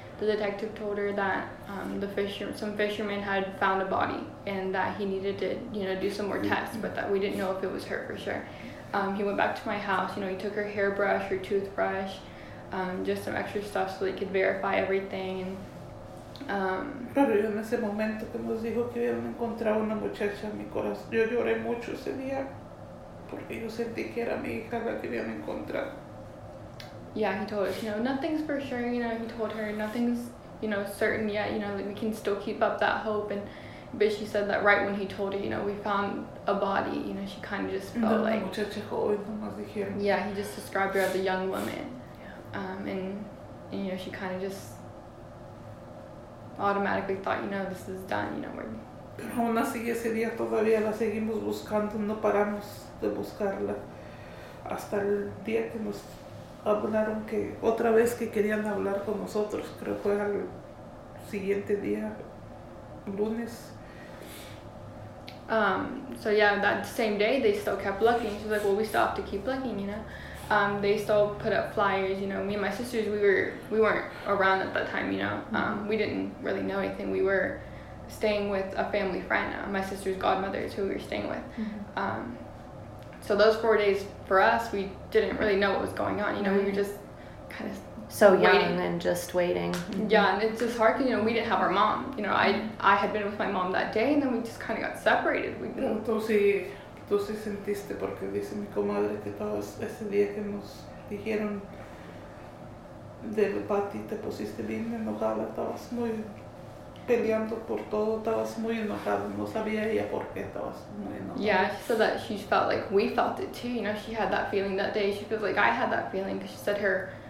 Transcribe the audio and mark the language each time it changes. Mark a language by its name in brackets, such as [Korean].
[English] The detective told her that some fishermen had found a body and that he needed to, you know, do some more tests, but that we didn't know if it was her for sure. He went back to my house, you know, he took her hairbrush, her toothbrush, just some extra stuff so they could verify everything. And, [Spanish] pero yo en ese momento que nos dijo que habían encontrado una muchacha en mi corazón, yo lloré mucho ese día porque yo sentí que era mi hija la que habían encontrado. [English] Yeah, he told her, you know, nothing's for sure, you know, he told her, nothing's, you know, certain yet, you know, like, we can still keep up that hope. And but she said that right when he told her, you know, we found a body, you know, she kind of just felt no, like... [Spanish] muchacha joven, nomás dijeron. [English] Yeah, he just described her as a young woman. Yeah. And, you know, she kind of just automatically thought, you know, this is done, you know, we're... [Spanish] Pero aún así ese día todavía la seguimos buscando, no paramos de buscarla hasta el día que nos... hablaron que otra vez que querían hablar con nosotros, creo que fue al siguiente día, lunes. [English] So yeah, that same day they still kept looking. She's like, well, we still have to keep looking, you know. They still put up flyers, you know. Me and my sisters, we weren't around at that time, you know. We didn't really know anything. We were staying with a family friend. My sister's godmother is who we were staying with. Mm-hmm. So those 4 days for us, we didn't really know what was going on. You know, we were just kind of so waiting. Young and just waiting. Mm-hmm. Yeah, and it's just hard because, you know, we didn't have our mom. You know, I had been with my mom that day, and then we just kind of got separated. We didn't. [Spanish] Tú sí sentiste porque dice mi comadre que todos ese día que nos dijeron del Pati te pusiste bien enojada, estabas muy peleando por todo, estabas muy enojada, no sabía ella por qué estabas muy enojada. [English] Yeah, she said that she felt like we felt it too, you know, she had that feeling that day, she feels like I had that feeling, because she said her